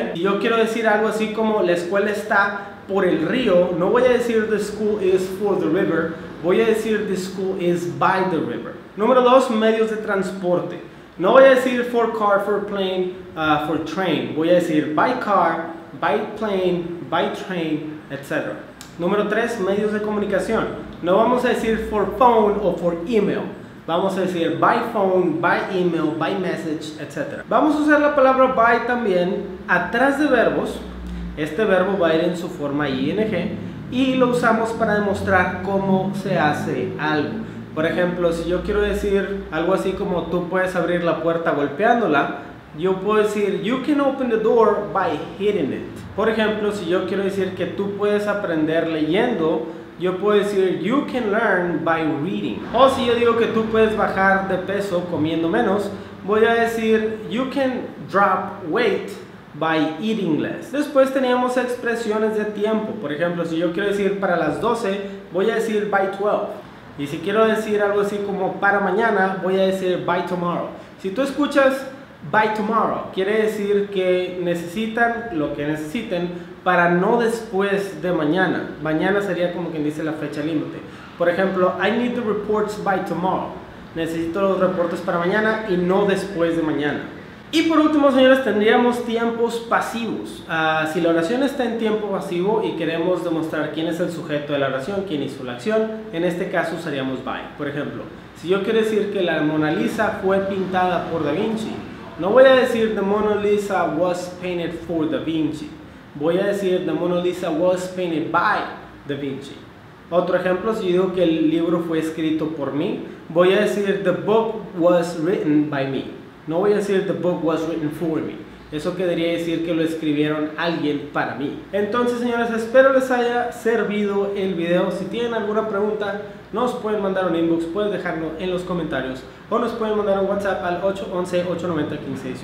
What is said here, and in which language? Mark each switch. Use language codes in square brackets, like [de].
[es] Y yo quiero decir algo así como la escuela está por el río, no voy a decir [en] the school is for the river, [es] voy a decir [en] the school is by the river. [es] Número dos, medios de transporte. No voy a decir [en] for car, for plane, for train, [es] voy a decir [en] by car, by plane, by train, [es] etc. Número 3, medios de comunicación. No vamos a decir [en] for phone [es] o [en] for email. [es] Vamos a decir [en] by phone, by email, by message, etc. [es] Vamos a usar la palabra by también atrás de verbos. Este verbo va a ir en su forma ing y lo usamos para demostrar cómo se hace algo. Por ejemplo, si yo quiero decir algo así como tú puedes abrir la puerta golpeándola, yo puedo decir, [en] you can open the door by hitting it. [es] Por ejemplo, si yo quiero decir que tú puedes aprender leyendo, yo puedo decir, [en] you can learn by reading. [es] O si yo digo que tú puedes bajar de peso comiendo menos, voy a decir, [en] you can drop weight by eating less. [es] Después teníamos expresiones de tiempo. Por ejemplo, si yo quiero decir para las 12, voy a decir [en] by 12. [es] Y si quiero decir algo así como para mañana, voy a decir [en] by tomorrow. [es] Si tú escuchas [en] by tomorrow, [es] quiere decir que necesitan lo que necesiten para no después de mañana. Mañana sería como quien dice la fecha límite. Por ejemplo, [en] I need the reports by tomorrow. [es] Necesito los reportes para mañana y no después de mañana. Y por último, señores, tendríamos tiempos pasivos. Si la oración está en tiempo pasivo y queremos demostrar quién es el sujeto de la oración, quién hizo la acción, en este caso usaríamos by. Por ejemplo, si yo quiero decir que la Mona Lisa fue pintada por Da Vinci, no voy a decir [en] the Mona Lisa was painted for Da Vinci. [es] Voy a decir [en] the Mona Lisa was painted by Da Vinci. [es] Otro ejemplo, si yo digo que el libro fue escrito por mí, voy a decir [en] the book was written by me. [es] No voy a decir [en] the book was written for me. [es] Eso quedaría decir que lo escribieron alguien para mí. Entonces, señores, espero les haya servido el video. Si tienen alguna pregunta, nos pueden mandar un inbox, pueden dejarlo en los comentarios o nos pueden mandar un WhatsApp al 811-890-1518.